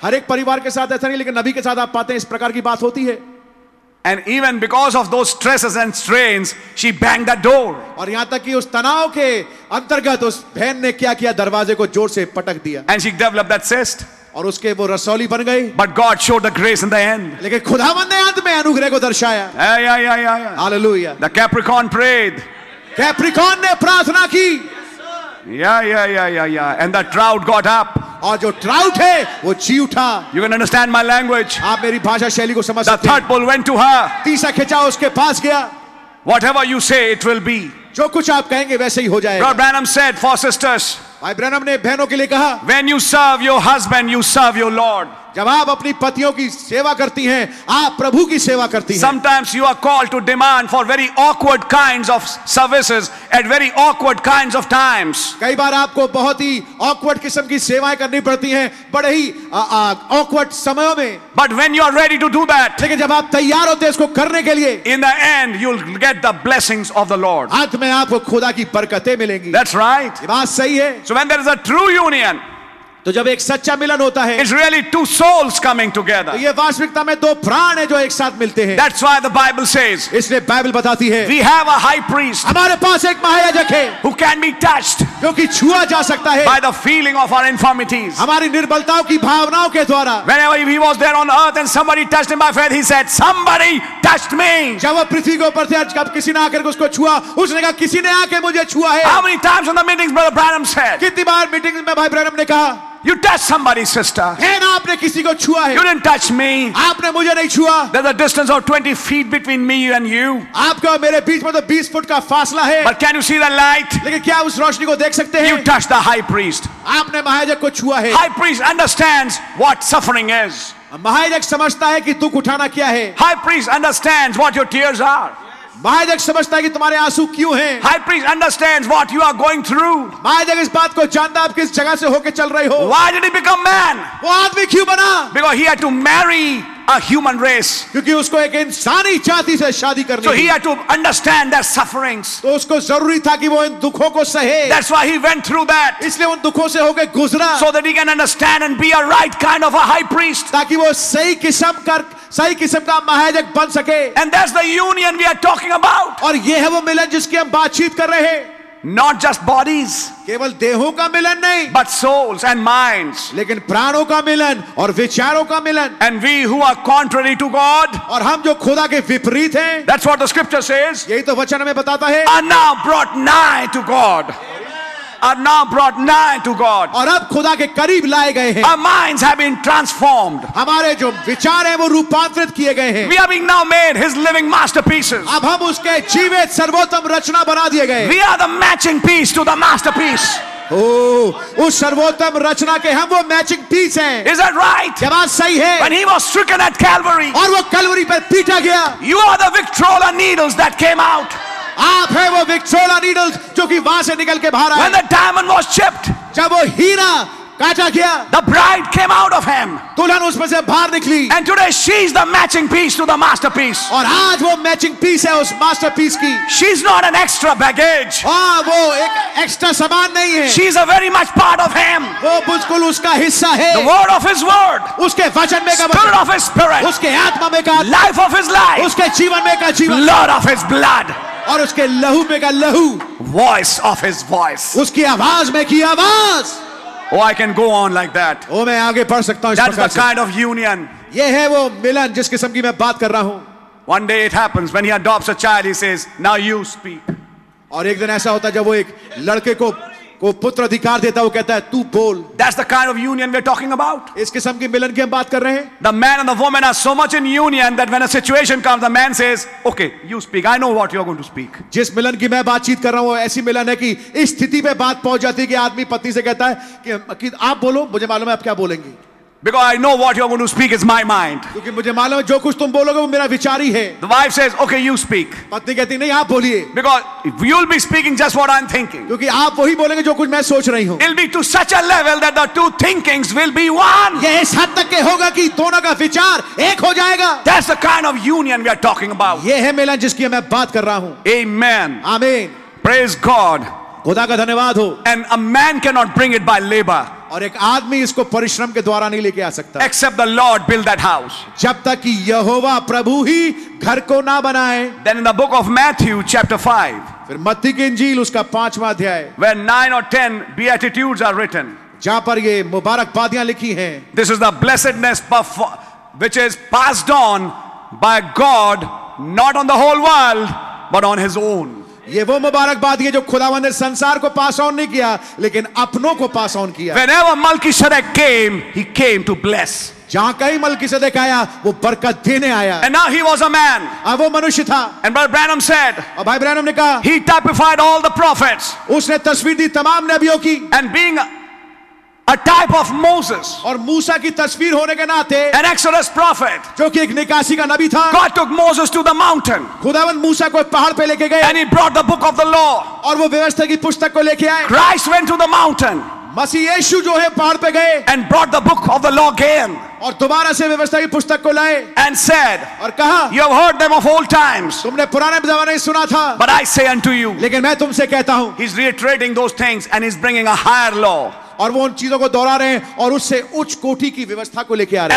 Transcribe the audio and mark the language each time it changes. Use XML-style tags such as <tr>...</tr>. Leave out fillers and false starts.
<hi>हर एक परिवार के साथ ऐसा नहीं, लेकिन नबी के साथ आप पाते हैं इस प्रकार की बात होती है.</hi> <en>And even because of those stresses and strains, she banged that door.</en> <hi>और यहाँ तक कि उस तनाव के अंतर्गत उस बहन ने क्या किया, दरवाजे को जोर से पटक दिया.</hi> <en>And she developed that cyst.</en> <hi>और उसके वो रसौली बन गई.</hi> <en>But God showed the grace in the end.</en> <hi>लेकिन खुदावंद ने अंत में अनुग्रह को दर्शाया.</hi> <en>Yeah. Hallelujah. The Capricorn prayed.</en> <hi>Capricorn ने प्रार्थना की.</hi> <en>Yeah. And the trout got up.</en> <hi>और जो ट्राउट है वो जी उठा.</hi> <en>You can understand my language.</en> <hi>आप मेरी भाषा शैली को समझ सकते हैं.</hi> <en>The third bull went to her.</en> <hi>तीसरा खिंचा उसके पास गया.</hi> <en>Whatever you say, it will be.</en> <hi>जो कुछ आप कहेंगे वैसे ही हो जाएगा.</hi> <en>Brother Branham said for sisters.</en> <hi>भाई ब्रैनम ने बहनों के लिए कहा.</hi> <en>When you serve your husband, you serve your Lord.</en> <hi>जब आप अपनी पतियों की सेवा करती हैं, आप प्रभु की सेवा करती हैं.</hi> <en>Sometimes you are called to demand for very awkward kinds of services at very awkward kinds of times.</en> <hi>कई बार आपको बहुत ही awkward किस्म की सेवाएं करनी पड़ती हैं, बड़े ही awkward समयों में.</hi> <en>But when you are ready to do that,</en> <hi>लेकिन जब आप तैयार होते हैं इसको करने के लिए,</hi> <en>in the end you'll get the blessings of the Lord.</en> <hi>अंत में आपको खुदा की बरकतें मिलेंगी.</hi> <en>That's right.</en> <hi>ये बात सही है.</hi> <en>So when there is a true union.</en> <hi>तो जब एक सच्चा मिलन होता है,</hi> <en>it's really two souls coming together.</en> <hi>ये वास्तविकता में दो प्राण हैं जो एक साथ मिलते हैं.</hi> <en>That's why the Bible says.</en> <hi>इसलिए बाइबल बताती है.</hi> <en>We have a high priest.</en> <hi>हमारे पास एक महायाजक है.</hi> <en>Who can be touched?</en> <hi>जो कि छुआ जा सकता है.</hi> <en>By the feeling of our infirmities.</en> <hi>हमारी निर्बलताओं की भावनाओं के द्वारा.</hi> <en>Whenever he was there on earth and somebody touched him by faith, he said, "Somebody touched me."</en> <hi>जब वो पृथ्वी के ऊपर थे, जब किसी ने आकर उसको छुआ, उसने कहा, किसी ने आके मुझे छुआ है.</hi> <en>How many times in the meetings, Brother Branham said?</en> <hi>कितनी बार मीटिंग में भाई ब्रैनम ने कहा?</hi> <en>You touched somebody's sister.</en> <hi>आपने किसी को छुआ है.</hi> <en>You didn't touch me.</en> <hi>आपने मुझे नहीं छुआ.</hi> <en>There's a distance of 20 feet between me and you.</en> <hi>आपका मेरे बीच में तो 20 फुट का फासला है.</hi> <en>But can you see the light?</en> <hi>लेकिन क्या उस रोशनी को देख सकते हैं?</hi> <en>You touched the high priest.</en> <hi>आपने महायाजक को छुआ है.</hi> <en>High priest understands what suffering is.</en> <hi>महायाजक समझता है कि दुख उठाना क्या है.</hi> <en>High priest understands what your tears are.</en> <hi>महायाजक समझता है कि तुम्हारे आंसू क्यों हैं.</hi> <en>High priest understands what you are going through.</en> <hi>महायाजक इस बात को जानता है आप किस जगह से होके चल रहे हो.</hi> <en>Why did he become man?</en> <hi>वो आदमी क्यों बना?</hi> <en>Because he had to marry a human race.</en> <hi>क्योंकि उसको एक इंसानी जाति से शादी करनी.</hi> <en>So he had to understand their sufferings.</en> <hi>तो उसको जरूरी था कि वो इन दुखों को सहे.</hi> <en>That's why he went through that.</en> <hi>इसलिए उन दुखों से होके गुजरा.</hi> <en>So that he can understand and be a right kind of a high priest.</en> <hi>ताकि वो सही किस्म कर सही किस्म का महायाजक बन सके.</hi> <en>And that's the union we are talking about.</en> <hi>और ये है वो मिलन जिसकी हम बातचीत कर रहे हैं.</hi> <en>Not just bodies.</en> <hi>केवल देहों का मिलन नहीं.</hi> <en>But souls and minds.</en> <hi>लेकिन प्राणों का मिलन और विचारों का मिलन.</hi> <en>And we who are contrary to God.</en> <hi>और हम जो खुदा के विपरीत हैं.</hi> <en>That's what the scripture says.</en> <hi>यही तो वचन हमें बताता है.</hi> <en>Are now brought nigh to God. Are now brought nigh to God.</en> <hi>और अब खुदा के करीब लाए गए हैं.</hi> <en>Our minds have been transformed.</en> <hi>हमारे जो विचार हैं वो रूपांतरित किए गए हैं.</hi> <en>We are being now made His living masterpieces.</en> <hi>अब हम उसके जीवित सर्वोत्तम रचना बना दिए गए.</hi> <en>We are the matching piece to the masterpiece.</en> <hi>उस सर्वोत्तम रचना के हम वो मैचिंग पीस हैं.</hi> <en>Is that right?</en> <hi>ये बात सही है.</hi> <en>When he was stricken at Calvary.</en> <hi>और वो कलवरी पर पीटा गया.</hi> <en>You are the Victrola needles that came out.</en> <hi>आप है वो विक्टोरिया नीडल्स जो कि वहां से निकल के बाहर आए.</hi> <en>When the diamond was chipped,</en> <hi>जब वो हीरा काटा गया,</hi> <en>the bride came out of him,</en> <hi>दुल्हन उसमें से बाहर निकली.</hi> <en>And today she is the matching piece to the masterpiece.</en> <hi>और आज वो मैचिंग पीस है उस मास्टरपीस की.</hi> <en>She's not an extra baggage.</en> <hi>हाँ, वो एक एक्स्ट्रा सामान नहीं है.</hi> <en>She's a very much part of him.</en> <hi>वो बिल्कुल उसका हिस्सा है.</hi> <en>The word of his word.</en> <hi>उसके वचन में का वचन.</hi> <en>Spirit of his spirit.</en> <hi>उसके आत्मा में का.</hi> <en>Life of his life.</en> <hi>उसके जीवन में का जीवन.</hi> <en>Blood of his blood.</en> <hi>और उसके लहू में का लहू.</hi> <en>Voice of his voice.</en> <hi>उसकी आवाज में की आवाज.</hi> <en>Oh, I can go on like that.</en> <hi>ओ, मैं आगे पढ़ सकता हूं.</hi> <en>That's the kind of union.</en> <hi>ये है वो मिलन जिस किस्म की मैं बात कर रहा हूं.</hi> <en>One day it happens when he adopts a child, he says, "Now you speak."</en> <hi>और एक दिन ऐसा होता है जब वो एक लड़के को पुत्र अधिकार देता है, वो कहता है तू बोल.</hi> <en>That's the kind of union we're talking about.</en> <hi>इस किस्म की मिलन की हम बात कर रहे हैं.</hi> <en>The man and the woman are so much in union that when a situation comes, the man says, "Okay, you speak. I know what you're going to speak."</en> <hi>जिस मिलन की मैं बातचीत कर रहा हूँ, ऐसी मिलन है कि इस स्थिति पे बात पहुंच जाती है कि आदमी पत्नी से कहता है कि आप बोलो, मुझे मालूम है आप क्या बोलेंगे.</hi> <en>Because I know what you're going to speak is my mind.</en> <hi>क्योंकि मुझे मालूम है जो कुछ तुम बोलोगे वो मेरा विचार ही है.</hi> <en>The wife says, okay, you speak.</en> <hi>पत्नी कहती नहीं आप बोलिए.</hi> <en>Because you'll be speaking just what I'm thinking.</en> <hi>क्योंकि आप वही बोलेंगे जो कुछ मैं सोच रही हूँ.</hi> <en>It'll be to such a level that the two thinkings will be one.</en> <hi>यह इस हद तक के होगा कि दोनों का विचार एक हो जाएगा.</hi> <en>That's the kind of union we are talking about.</en> <hi>यह है मिलन जिसकी मैं बात कर रहा हूँ.</hi> <en>Amen. Amen. Praise God.</en> <hi>खुदा का धन्यवाद हो.</hi> <en>And a man cannot bring it by labor.</en> <hi>और एक आदमी इसको परिश्रम के द्वारा नहीं लेके आ सकता.</hi> <en>Except the Lord build that house.</en> <hi>जब तक कि यहोवा प्रभु ही घर को ना बनाए.</hi> <en>Then in the book of Matthew chapter 5.</en> <hi>फिर मत्ती की इंजील उसका पांचवा अध्याय.</hi> <en>Where 9 or 10 beatitudes are written.</en> <hi>जहां पर ये मुबारकबादियां लिखी हैं.</hi> <en>This is the blessedness which is passed on by God not on the whole world but on his own.</en> <hi>ये वो मुबारकबाद है जो खुदावन ने संसार को पास ऑन नहीं किया लेकिन अपनों को पास ऑन किया.</hi> <en>Whenever Melchizedek came, he came to bless.</en> <hi>जहां कहीं मलकीसेदेक आया वो बरकत देने आया.</hi> <en>And now he was a man.</en> <hi>अब वो मनुष्य था.</hi> <en>And Brother Branham said,</en> <hi>और भाई ब्रैनम ने कहा,</hi> <en>he typified all the prophets.</en> <hi>उसने तस्वीर दी तमाम नबियों की.</hi> <en>And being a type of Moses,</en> <hi>और मूसा की तस्वीर होने के नाते,</hi> <en>an Exodus prophet,</en> <hi>जो कि एक निकासी का नबी था,</hi> <en>God took Moses to the mountain,</en> <hi>खुदावन मूसा को पहाड़ पे लेके गए,</hi> <en>and he brought the book of the law,</en> <hi>और वो व्यवस्था की पुस्तक को लेके आए,</hi> <en>Christ went to the mountain,</en> <hi>मसीह यीशु जो है पहाड़ पे गए,</hi> <en>and brought the book of the law again,</en> <hi>और दोबारा से व्यवस्था की पुस्तक को लाए,</hi> <en>and said,</en> <hi>और कहा,</hi> <en>you have heard them of old times,</en> <hi>तुमने पुराने ज़माने में सुना था,</hi> <en>but I say unto you,</en> <hi>लेकिन मैं तुमसे कहता हूँ,</hi> <en>he's reiterating those things and he's bringing a higher law.</en> <hi>और वो उन चीजों को दोहरा रहे हैं और उससे उच्च कोटि की व्यवस्था को लेके आ रहे</hi>